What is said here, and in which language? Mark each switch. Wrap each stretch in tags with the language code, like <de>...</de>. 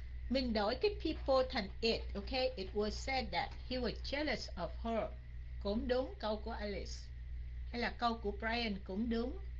<vi>Mình đổi cái people thành it, okay?</vi> <en>It was said that he was jealous of her.</en> <vi>Cũng đúng câu của Alice. Hay là câu của Brian cũng đúng.</vi>